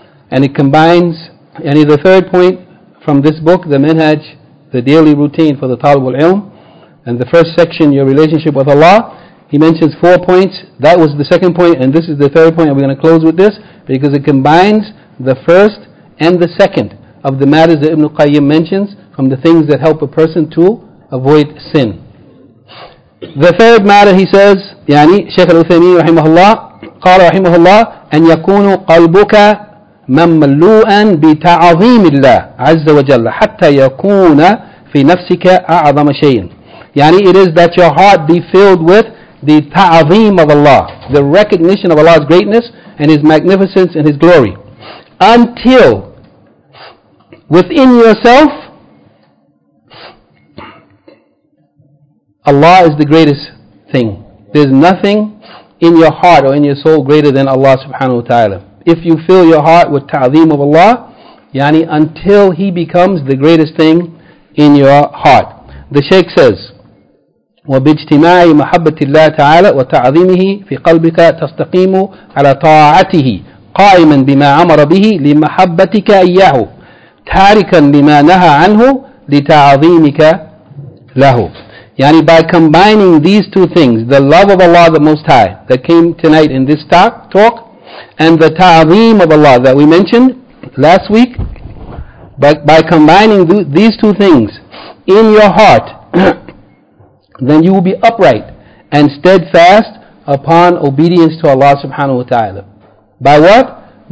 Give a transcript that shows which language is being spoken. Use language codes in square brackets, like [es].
[en] And it combines, and the third point from this book, the Minhaj, the daily routine for the Talib al-Ilm, and the first section, your relationship with Allah. He mentions four points. That was the second point, and this is the third point, and we're going to close with this, because it combines the first and the second of the matters that Ibn Qayyim mentions from the things that help a person to avoid sin. The third matter, he says, [ar] يعني شيخ الوثيمين رحمه الله قال رحمه الله أن يكون قلبك مملوءا بتعظيم الله عز وجل حتى يكون في نفسك أعظم شيء. [en] يعني it is that your heart be filled with the ta'azim of Allah, the recognition of Allah's greatness and His magnificence and His glory, until within yourself Allah is the greatest thing. There's nothing in your heart or in your soul greater than Allah subhanahu wa ta'ala. If you fill your heart with ta'azim of Allah, yani until He becomes the greatest thing in your heart. The Shaykh says, [ar] وباجتماع محبة الله تعالى وتعظيمه في قلبك تستقيم على طاعته قائما بما أمر به لمحبتك إياه تاركا لما نهى عنه لتعظيمك له. [en] يعني by combining these two things, the love of Allah the Most High that came tonight in this talk and the ta'zeem of Allah that we mentioned last week, but by combining these two things in your heart, then you will be upright and steadfast upon obedience to Allah subhanahu wa ta'ala. By what?